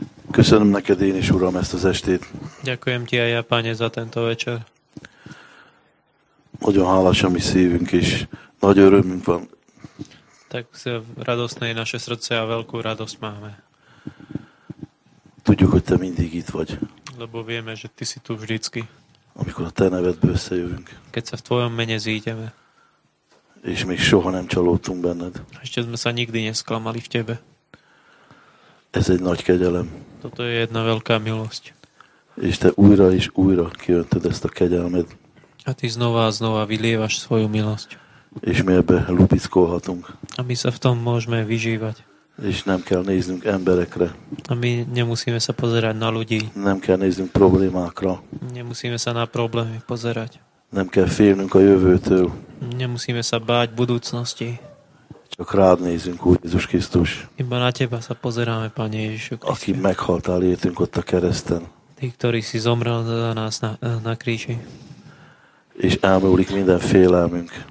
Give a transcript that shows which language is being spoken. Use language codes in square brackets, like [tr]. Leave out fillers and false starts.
[hu] Köszönöm neked én is, Uram, ezt az estét. [sk] Ďakujem ti aj ja, Páne, za tento večer. [hu] Nagyon hálás a mi szívünk, és nagy örömünk van. [sk] Tak radosné je naše srdce a veľkú radosť máme. [hu] Tudjuk, hogy te mindig itt vagy. [sk] Lebo vieme, že ty si tu vždycky. [hu] Amikor a te nevedbe összejövünk. [sk] Keď sa v tvojom mene zídeme. [hu] És még soha nem csalódtunk benned. [sk] Ešte sme sa nikdy nesklamali v tebe. [hu] Ez egy nagy kegyelem. [sk] Toto je jedna veľká milosť. [hu] És te újra és újra kiöntöd ezt a kegyelmet. [sk] A ty znova a znova vylievaš svoju milosť. [hu] És mi ebbe lupickolhatunk. [sk] A my sa v tom môžeme vyžívať. [hu] És nem kell néznünk emberekre. [sk] A my nemusíme sa pozerať na ľudí. [hu] Nem kell néznünk problémákra. [sk] Nemusíme sa na problémy pozerať. [hu] Nem kell félnünk a jövőtől. [sk] Nemusíme sa báť budúcnosti. [hu] Csak rád nézünk, Úr Jézus Krisztus. [sk] Iba na teba sa pozeráme, Pane Ježišu Krisztus. [hu] Aki meghaltál értünk ott a kereszten. [sk] Ty, ktorý si zomrel za nás na kríži. [hu] És elmúlik minden félelmünk.